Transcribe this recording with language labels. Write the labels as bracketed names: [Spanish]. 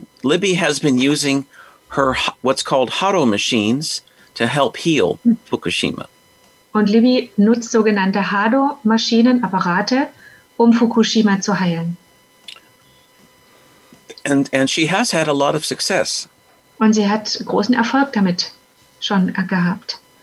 [English] Libby has been using her what's called Haro machines to help heal Fukushima. [German] Und Libby nutzt sogenannte Hado-Maschinen, Apparate, um Fukushima zu heilen. [English] And she has had a lot of success. [German] Und sie hat großen Erfolg damit schon gehabt.